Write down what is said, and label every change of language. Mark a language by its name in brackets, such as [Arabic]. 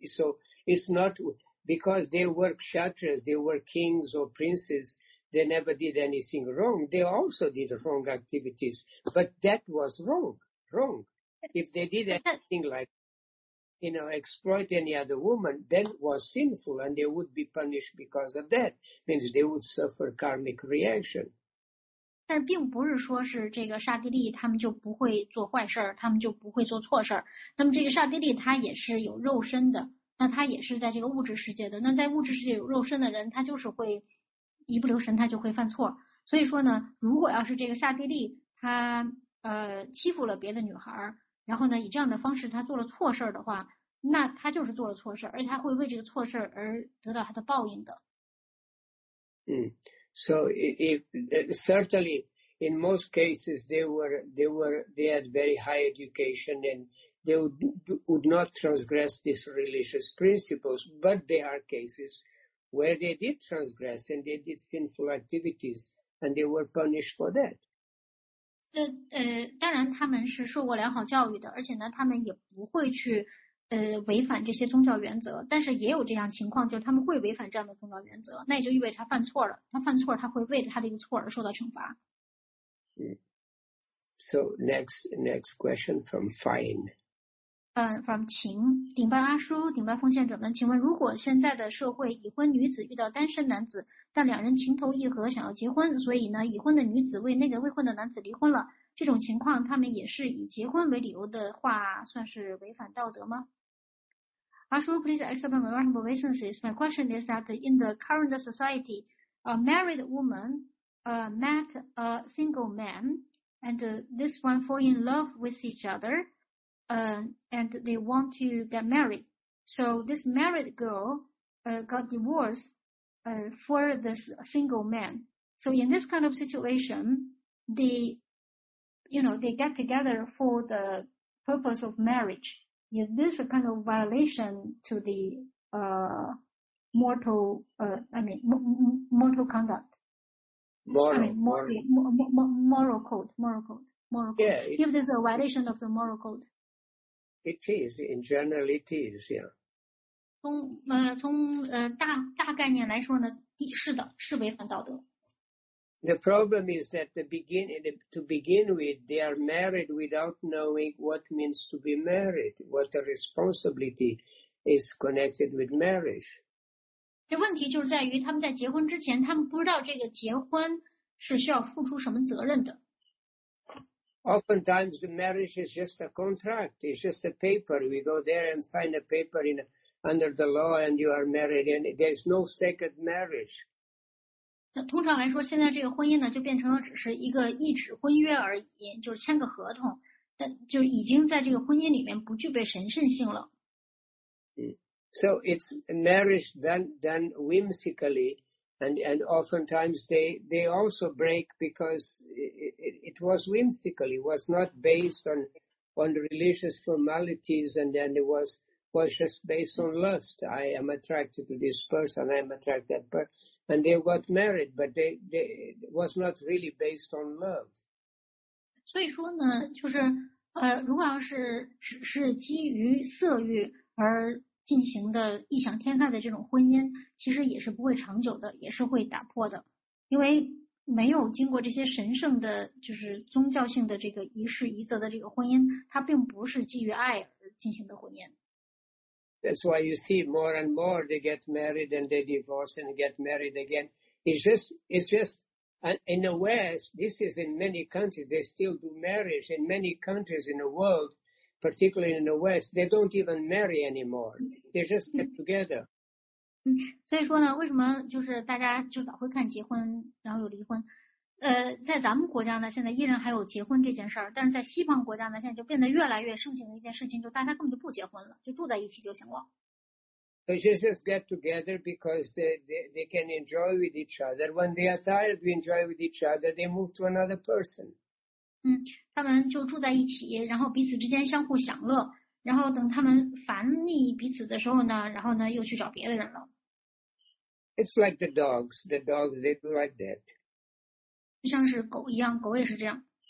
[English] So it's not... Because they were kshatras, they were kings or princes, they never did anything wrong. They also did wrong activities, but that was wrong. If they did anything like, you know, exploit any other woman, then was sinful and they would be punished because of that. Means they would suffer karmic reaction. [Chinese] 但并不是说是这个沙帝利他们就不会做坏事，他们就不会做错事。那么这个沙帝利他也是有肉身的。那他也是在这个物质世界的，那在物质世界有肉身的人，他就是会一不留神他就会犯错。所以说呢，如果要是这个沙帝利他欺负了别的女孩，然后呢以这样的方式他做了错事的话，那他就是做了错事，而且他会为这个错事而得到他的报应的。 [English] So if certainly in most cases they had very high education andThey would not transgress these religious principles, but there are cases where they did transgress and they did sinful activities and they were punished for that. [Chinese] 当然他们是受过良好教育的，而且呢他们也不会去违反这些宗教原则，但是也有这样情况，就是他们会违反这样的宗教原则，那也就意味着他犯错了，他犯错他会为他的一个错而受到惩罚。 [English] So next question from Fine. [Chinese] From 秦顶拜阿叔顶拜奉献者们，请问如果现在的社会已婚女子遇到单身男子，但两人情投意合想要结婚，所以呢已婚的女子为那个未婚的男子离婚了，这种情况他们也是以结婚为理由的话算是违反道德吗？ [English] 阿叔 please explain my reasonable reasons. My question is that in the current society, a married woman met a single man and this one fall in love with each otherand they want to get married. So this married girl got divorced for this single man. So in this kind of situation, they get together for the purpose of marriage. Is this a kind of violation to the mortal conduct? Moral code. Yeah, if there's a violation of the moral code. It is, in general it is, yeah. [Chinese] 从大概念来说呢，是的，是违反道德。 [English] The problem is that to begin with, they are married without knowing what means to be married, what the responsibility is connected with marriage. [Chinese] 这问题就是在于他们在结婚之前，他们不知道这个结婚是需要付出什么责任的。 [English] Oftentimes the marriage is just a contract. It's just a paper. We go there and sign a paper under the law and you are married. And there's no sacred marriage. [Chinese] 通常来说现在这个婚姻呢就变成了只是一个一纸婚约而已，就是签个合同，但就已经在这个婚姻里面不具备神圣性了。 [English] So it's marriage done whimsically. And oftentimes they also break because it was whimsical. It was not based on religious formalities and then it was was just based on lust. I am attracted to this person, I am attracted to that person. And they got married, but they was not really based on love. [Chinese] 所以说呢，就是如果要是是基于色欲而进行的异想天开的这种婚姻，其实也是不会长久的，也是会打破的，因为没有经过这些神圣的，就是宗教性的这个仪式仪则的这个婚姻，它并不是基于爱而进行的婚姻。 [English] That's why you see more and more they get married and they divorce and get married again. It's just. And in the West, this is in many countries, they still do marriage. In many countries in the world, particularly in the West, they don't even marry anymore. They just get together. [Chinese] 所以说呢，为什么就是大家就老会看结婚，然后有离婚？在咱们国家呢，现在依然还有结婚这件事儿，但是在西方国家呢，现在就变得越来越盛行的一件事情，就大家根本就不结婚了，就住在一起就行了。 [English] They just get together because they can enjoy with each other. When they are tired, we enjoy with each other. They move to another person. [Chinese] 他们就住在一起，然后彼此之间相互享乐。然后等他们烦腻彼此的时候呢，然后呢又去找别的人了。 [English] It's like the dogs. The dogs they do like that. [Chinese] 像是狗一样，狗也是这样。